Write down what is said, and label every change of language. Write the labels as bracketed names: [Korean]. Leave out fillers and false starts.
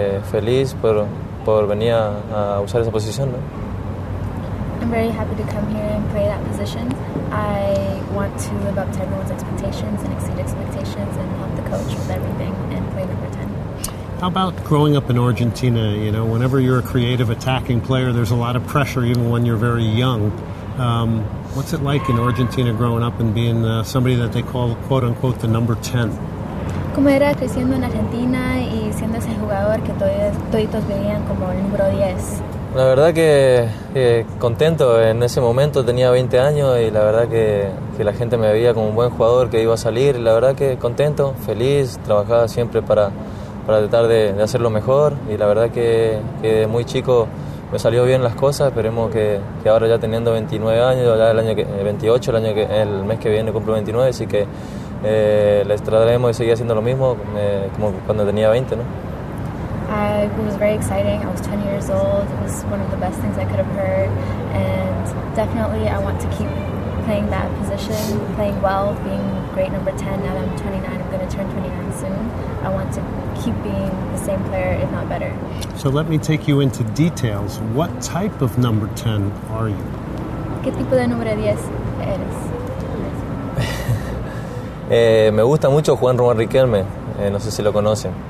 [Spanish] Feliz por venir a usar esa posición, ¿no? [English] I'm very happy to come here and play that position. I want to live up to everyone's expectations and exceed expectations and help the coach with everything and play number 10. How about growing up in Argentina? You know, whenever you're a creative attacking player, there's a lot of pressure even when you're very young. What's it like in Argentina growing up and being somebody that they call, quote-unquote, the number 10? [Spanish] ¿Cómo era creciendo en Argentina y siendo ese jugador que toditos veían como el número 10? La verdad que contento, en ese momento tenía 20 años y la verdad que la gente me veía como un buen jugador que iba a salir, la verdad que contento, feliz, trabajaba siempre para tratar de hacerlo mejor. Y la verdad que de muy chico me salió bien las cosas. Esperemos que ahora, ya teniendo 29 años, ya el año que 28, el año que el mes que viene cumplo 29, así que les trataremos de seguir haciendo lo mismo como cuando tenía 20, ¿no? [English] It was very exciting. I was 10 years old. It was one of the best things I could have heard. And definitely I want to keep playing that position, playing well, being great number 10. Now that I'm 29, I'm going to turn 29 soon. I want to keep being the same player, if not better. So let me take you into details. What type of number 10 are you? [Spanish] ¿Qué tipo de número 10 eres? Me gusta mucho Juan Román Riquelme. No sé si lo conocen.